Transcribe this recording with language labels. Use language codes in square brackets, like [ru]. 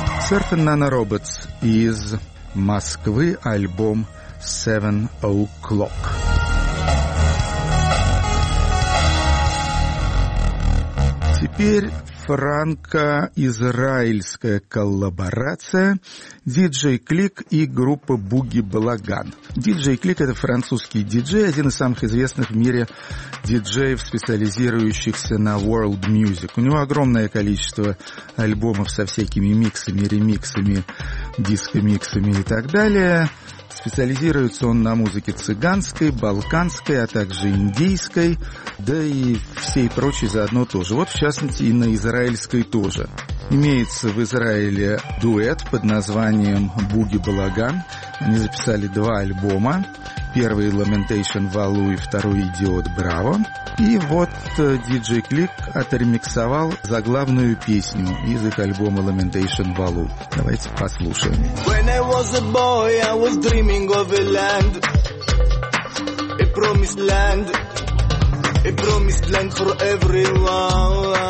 [ru] Surf Nana Roberts из Москвы, альбом Seven O'Clock. Теперь франко-израильская коллаборация «Диджей Клик» и группа «Буги Балаган». «Диджей Клик» — это французский диджей, один из самых известных в мире диджеев, специализирующихся на world music. У него огромное количество альбомов со всякими миксами, ремиксами, диско-миксами и так далее. Специализируется он на музыке цыганской, балканской, а также индийской, да и всей прочей заодно тоже. Вот, в частности, и на израильской тоже. Имеется в Израиле дуэт под названием «Буги Балаган». Они записали два альбома. Первый – «Lamentation Валу» и второй – «Идиот Браво». И вот диджей Клик отремиксовал заглавную песню из их альбома «Lamentation Валу». Давайте послушаем. [en] When I was a boy, I was dreaming of a land. A promised land. A promised land for everyone.